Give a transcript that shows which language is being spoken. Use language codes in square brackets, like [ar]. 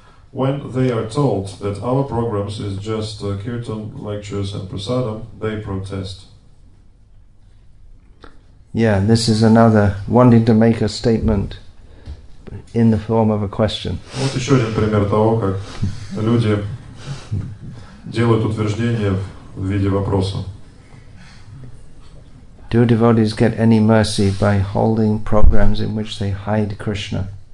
[en] When they are told that our programs is just kirtan, lectures and prasadam, they protest. Yeah, this is another wanting to make a statement in the form of a question. [ru] Вот еще один пример того, как люди делают утверждение в виде вопроса. [en] Do devotees get any mercy by holding programs in which they hide Krishna?